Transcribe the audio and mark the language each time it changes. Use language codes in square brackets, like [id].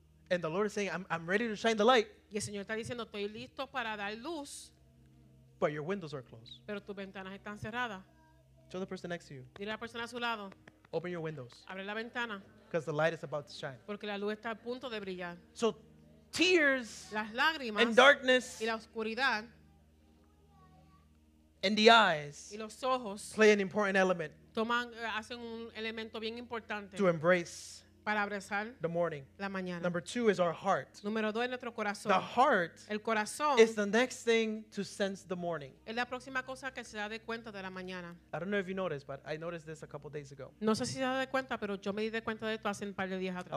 [en] And the Lord is saying, I'm ready to shine the light. [es] Y el Señor está diciendo, estoy listo para dar luz. [en] But your windows are closed. [es] Pero tus ventanas están cerradas. [en] Tell the person next to you. [es] Dile a la persona a su lado. [en] Open your windows. [es] Abre la ventana. [en] Because the light is about to shine. [es] Porque la luz está a punto de brillar. [en] So tears. [es] Las lágrimas. [en] And darkness. [es] Y la oscuridad. [en] And the eyes [es] y los ojos [en] play an important element [es] hacen un elemento bien importante [en] to embrace [es] para abrazar [en] the morning. [es] La mañana. [en] Number two is our heart. [es] Número dos es nuestro corazón. [en] The heart [es] el corazón [en] is the next thing to sense the morning. [es] Es la próxima cosa que se da de cuenta de la mañana. [en] I don't know if you noticed, but I noticed this a couple days ago. [es] No sé si se da de cuenta, pero yo me di de cuenta de esto hace un par de días atrás.